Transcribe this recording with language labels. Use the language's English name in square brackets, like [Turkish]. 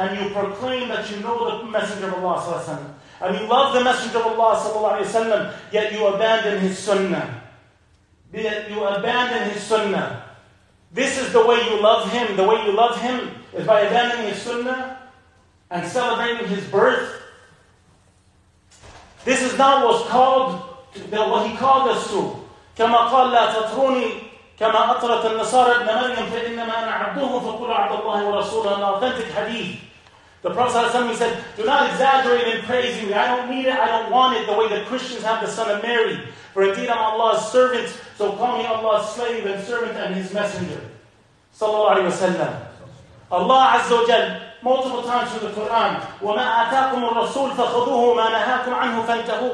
[English] And you proclaim that you know the Messenger of Allah صلى الله عليه وسلم. And you love the Messenger of Allah صلى الله عليه وسلم, yet you abandon his sunnah. You abandon his sunnah. This is the way you love him. The way you love him is by abandoning his sunnah and celebrating his birth. This is not what's called, what he called us to. [Arabic] كما قال لا تطروني كما أطرت النصارى ابن مريم فإنما أنا عبده فقل عبد الله ورسوله. [English] An authentic hadith. The Prophet ﷺ said, do not exaggerate in praising me. I don't need it, I don't want it, the way the Christians have the son of Mary. For indeed I'm Allah's servant, so call me Allah's slave and servant and his messenger. Sallallahu alayhi wa sallam. Allah Azza wa Jal, multiple times through the Quran, [Arabic] وَمَا أَتَاكُمُ الرَّسُولُ فَخُذُوهُ مَا نَهَاكُمْ عَنْهُ فَانْتَهُوا.